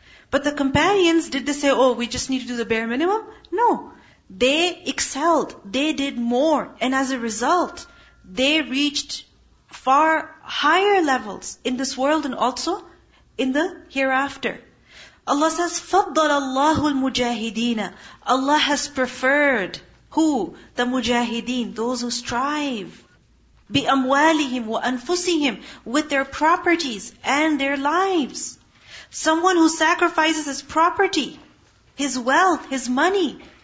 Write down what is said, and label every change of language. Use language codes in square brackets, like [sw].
[en] But the companions, did they say, oh, we just need to do the bare minimum? No. They excelled. They did more. And as a result, they reached far higher levels in this world and also in the hereafter. Allah says, [ar] فَضَّلَ اللَّهُ الْمُجَاهِدِينَ. [en] Allah has preferred who? The mujahideen, those who strive. [ar] بِأَمْوَالِهِمْ وَأَنفُسِهِمْ, [en] with their properties and their lives. Someone who sacrifices his property, his wealth, his money.